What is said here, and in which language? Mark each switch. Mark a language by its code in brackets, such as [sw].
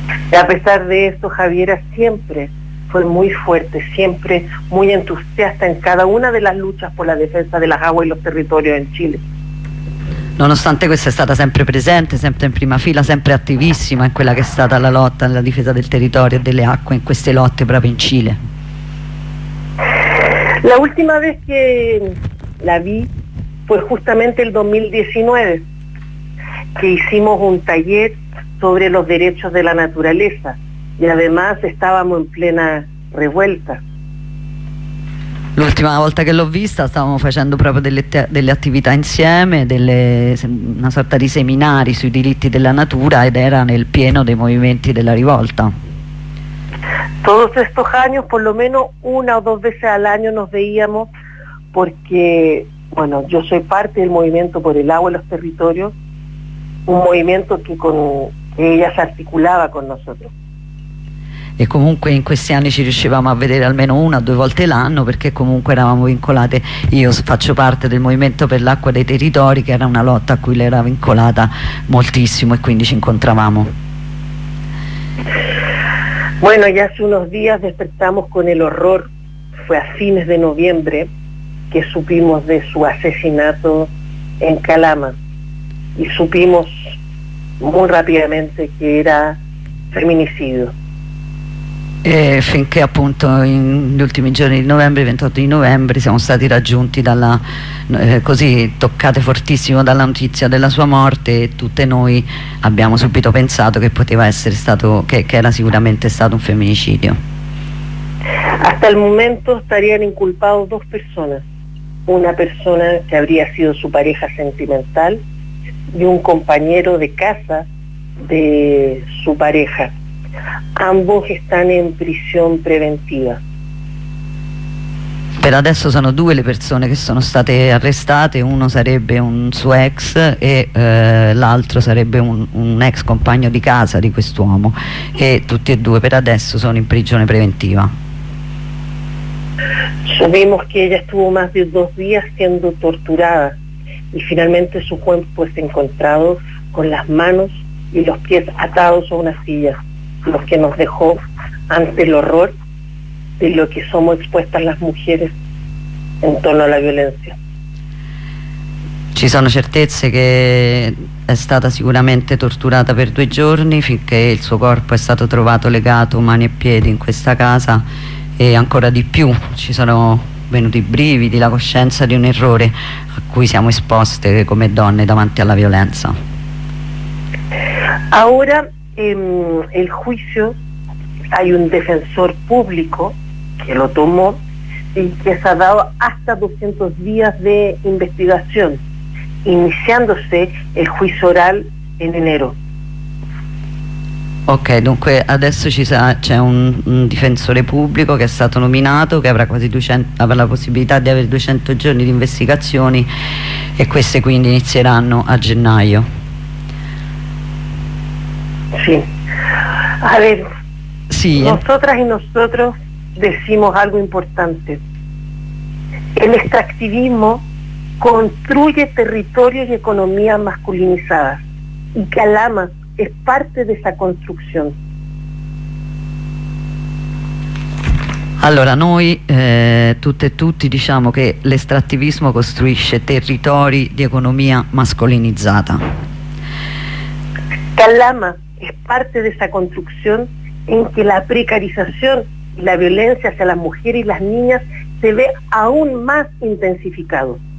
[es] E a pesar de esto, Javiera siempre fue muy fuerte, siempre muy entusiasta en cada una de las luchas por la defensa de las aguas y los territorios en Chile. [it] Nonostante questo, è stata sempre presente, sempre in prima fila, sempre attivissima in quella che è stata la lotta nella difesa del territorio e delle acque, in queste lotte proprio in Cile. [es] La ultima vez che la vi fue justamente el 2019, que hicimos un taller sobre los derechos de la naturaleza. Y además estábamos en plena revuelta. [it] L'ultima volta che l'ho vista stavamo facendo proprio delle attività insieme, una sorta di seminari sui diritti della natura, ed era nel pieno dei movimenti della rivolta. [es] Todos estos años, por lo menos una o dos veces al año nos veíamos, porque bueno, yo soy parte del movimiento por el agua y los territorios, un movimiento que ella se articulaba con nosotros. [it] E comunque in questi anni ci riuscivamo a vedere almeno 1 o 2 volte l'anno, perché comunque eravamo vincolate. Io faccio parte del Movimento per l'Acqua dei Territori, che era una lotta a cui lei era vincolata moltissimo, e quindi ci incontravamo. [es] Bueno, ya hace unos días despertamos con el horror, fue a fines de noviembre que supimos de su asesinato en Calama, y supimos muy rápidamente que era feminicidio. [it] E finché appunto negli ultimi giorni di novembre, 28 di novembre, siamo stati raggiunti così toccate fortissimo dalla notizia della sua morte, e tutte noi abbiamo subito pensato che poteva essere stato, che era sicuramente stato un femminicidio. [es] Hasta el momento estarían inculpados 2 personas, una persona che habría sido su pareja sentimental y un compañero de casa de su pareja. Ambos están en prisión preventiva. [it] Per adesso sono 2 le persone che sono state arrestate. Uno sarebbe un suo ex e l'altro sarebbe un ex compagno di casa di quest'uomo, e tutti e 2 per adesso sono in prigione preventiva. [es] Sabemos que ella estuvo más de 2 días siendo torturada, y finalmente su cuerpo es encontrado con las manos y los pies atados a una silla, lo que nos dejó ante el horror de lo que somos expuestas las mujeres en torno a la violencia. [it] Ci sono certezze che è stata sicuramente torturata per 2 giorni, finché il suo corpo è stato trovato legato mani e piedi in questa casa, e ancora di più ci sono venuti brividi, la coscienza di un errore a cui siamo esposte come donne davanti alla violenza. [es] Ahora en el juicio hay un defensor público que lo tomó y que se ha dado hasta 200 días de investigación, iniciándose el juicio oral en enero. [it] Ok, dunque adesso c'è un difensore pubblico che è stato nominato, che avrà quasi 200, avrà la possibilità di avere 200 giorni di investigazioni, e queste quindi inizieranno a gennaio. [es] Sí. A ver, sí, nosotras y nosotros decimos algo importante. El extractivismo construye territorios y economías masculinizadas, y Calama es parte de esa construcción. [it] Allora, noi tutte e tutti diciamo che l'estrattivismo costruisce territori di economia mascolinizzata. [es] Calama es parte de esa construcción en que la precarización y la violencia hacia las mujeres y las niñas se ve aún más intensificado.